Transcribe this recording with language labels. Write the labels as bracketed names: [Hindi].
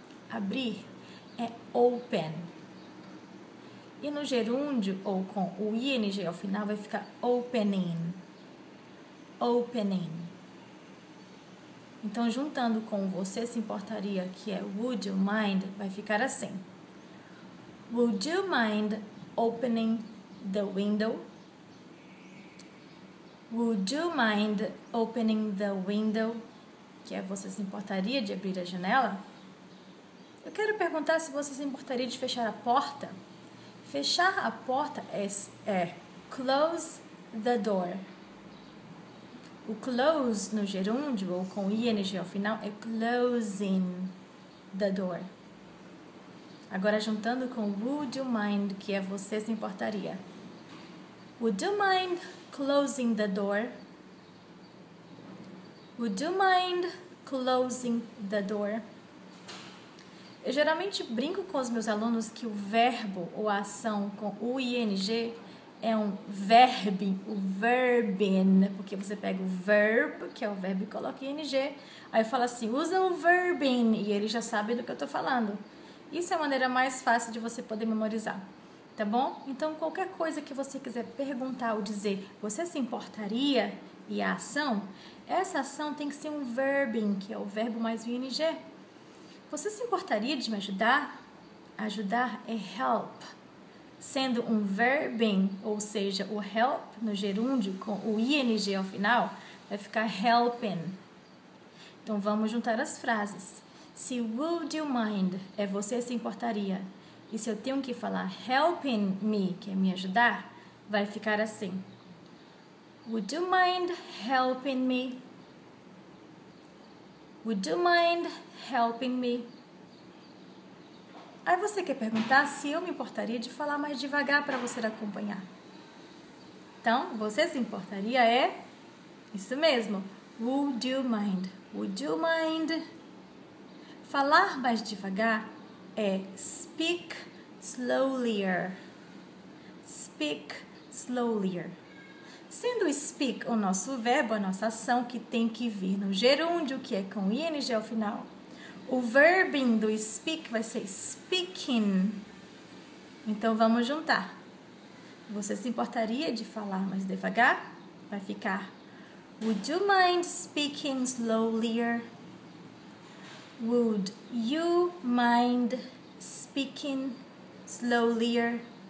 [Portuguese] Abrir é open. E no gerúndio, ou com o ing ao final, vai ficar opening. Opening. Então, juntando com você se importaria, que é [English] would you mind, [Portuguese] vai ficar assim. [English] Would you mind opening the window? Would you mind opening the window? [Portuguese] Que é você se importaria de abrir a janela? Eu quero perguntar se você se importaria de fechar a porta. Fechar a porta é [English] close the door. [Portuguese] O close no gerúndio ou com ing ao final é [English] closing the door. [Portuguese] Agora juntando com [English] would you mind, [Portuguese] que é você se importaria. [English] Would you mind closing the door? Would you mind closing the door? [Portuguese] Eu geralmente brinco com os meus alunos que o verbo ou a ação com o ing é um verb, o verben, porque você pega o verb, que é o verbo, e coloca ing, aí fala assim, usa o verben, e ele já sabe do que eu tô falando. Isso é a maneira mais fácil de você poder memorizar, tá bom? Então, qualquer coisa que você quiser perguntar ou dizer, você se importaria, e a ação, essa ação tem que ser um verben, que é o verbo mais o ing. Você se importaria de me ajudar? Ajudar é help. Sendo um verben, ou seja, o help no gerúndio com o ing ao final, vai ficar helping. Então, vamos juntar as frases. Se [English] would you mind [Portuguese] é você se importaria, e se eu tenho que falar [English] helping me, [Portuguese] que é me ajudar, vai ficar assim. [English] Would you mind helping me? Would you mind helping me? [Portuguese] Aí você quer perguntar se eu me importaria de falar mais devagar para você acompanhar. Então, você se importaria é isso mesmo. [English] Would you mind? Would you mind? [Portuguese] Falar mais devagar é [English] speak slowlier. Speak slowlier. [Portuguese] Sendo speak o nosso verbo, a nossa ação que tem que vir no gerúndio, que é com ing ao final. O verbing do speak vai ser speaking. Então vamos juntar. Você se importaria de falar mais devagar? Vai ficar [English] would you mind speaking slowlier? Would you mind speaking slowlier?